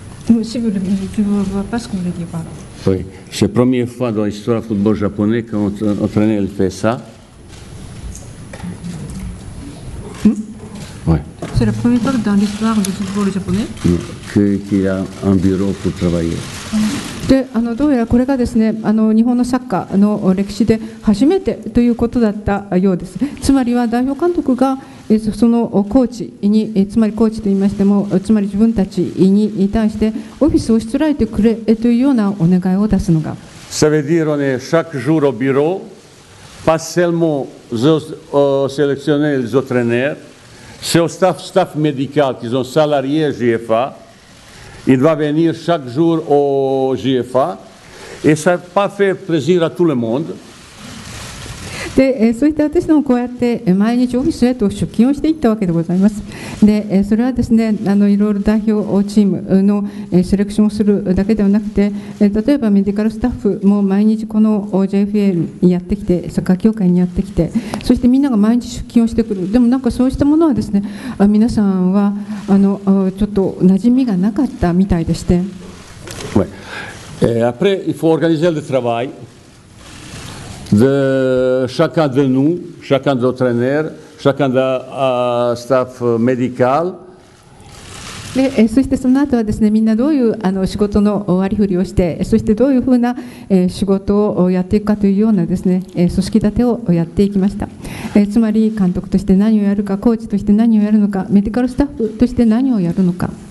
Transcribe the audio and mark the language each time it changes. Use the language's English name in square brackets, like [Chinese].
[French] Oui, c'est la première fois dans l'histoire du football japonais qu'un entraîneur fait ça. Oui. C'est la première fois dans l'histoire du football japonais qu'il y a un bureau pour travailler. [Japanese] で、どうやらこれがですね、日本のサッカーの歴史で初めてということだったようです。つまりは代表監督がそのコーチに、つまりコーチと言いましても、つまり自分たちに対してオフィスをしつらえてくれというようなお願いを出すのが。 [French] Ça veut dire que chaque jour au bureau, pas seulement aux sélectionneurs et aux entraîneurs, c'est au staff médical qui sont salariés GFA. Il va venir chaque jour au GFA et ça n'a pas fait plaisir à tout le monde. [Japanese] で、そういった私のこうやって毎日オフィスへと出勤をしていったわけでございます。で、それはですね、いろいろ代表チームのセレクションをするだけではなくて、例えばメディカルスタッフも毎日この JFA にやってきて、サッカー協会にやってきて、そしてみんなが毎日出勤をしてくる。でもなんかそうしたものはですね、皆さんはちょっと馴染みがなかったみたいでして。はい。 [French] Après, il faut organiser le travail. De chacun de nous, chacun de nos entraîneurs, chacun de staff médical. [Japanese] Et そしてその後はですね、みんなどういう仕事の割り振りをして、そしてどういうふうな仕事をやっていくかというようなですね、組織立てをやっていきました。つまり監督として何をやるか、コーチとして何をやるのか、メディカルスタッフとして何をやるのか。